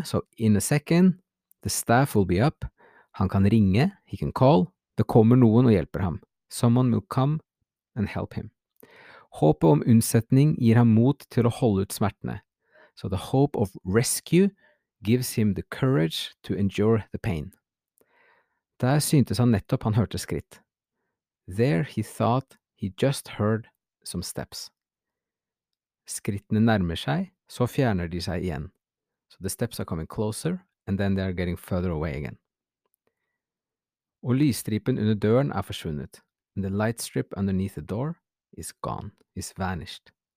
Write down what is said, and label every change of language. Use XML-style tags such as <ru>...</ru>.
<en>So in a second, the staff will be up.</en> <no>Han kan ringe,</no> <en>he can call.</en> <no>Det kommer noen og hjelper ham.</no> <en>Someone will come and help him.</en> <no>Håpet om unnsetning gir ham mot til å holde ut smertene.</no> <en>So the hope of rescue gives him the courage to endure the pain.</en> <no>Der syntes han nettopp han hørte skritt.</no> <en>There he thought he just heard some steps.</en> <no>Skrittene nærmer seg, så fjerner de seg igjen.</no> <en>So the steps are coming closer, and then they are getting further away again.</en> <no>Og lysstripen under døren forsvunnet.</no> <en>And the light strip underneath the door is gone, is vanished.</en>